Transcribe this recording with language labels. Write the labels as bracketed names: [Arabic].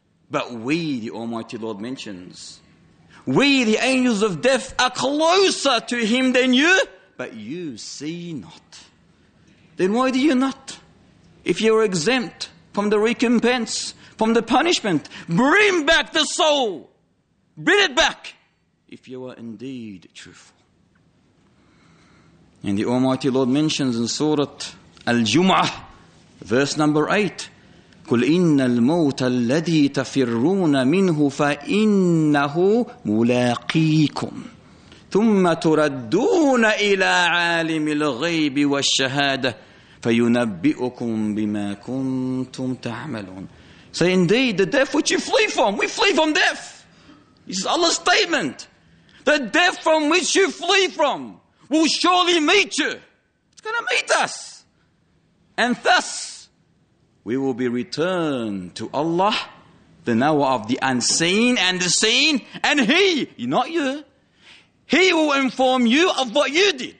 [English] But we, the Almighty Lord mentions, we, the angels of death, are closer to him than you, but you see not. Then why do you not? If you're exempt from the recompense, from the punishment, bring back the soul. Bring it back, if you are indeed truthful. And the Almighty Lord mentions in Surah Al-Jum'ah, verse number 8, [Arabic] قُلْ إِنَّ الْمَوْتَ الَّذِي تَفِرُّونَ مِنْهُ فَإِنَّهُ مُلَاقِيكُمْ ثُمَّ تُرَدُّونَ إِلَىٰ عَالِمِ الْغَيْبِ وَالشَّهَادَةِ فَيُنَبِّئُكُمْ بِمَا كُنْتُمْ تَعْمَلُونَ. [English] Say, indeed, the death which you flee from, we flee from death. This is Allah's statement. The death from which you flee from will surely meet you. It's going to meet us. And thus, we will be returned to Allah, the knower of the unseen and the seen, and He, not you, He will inform you of what you did.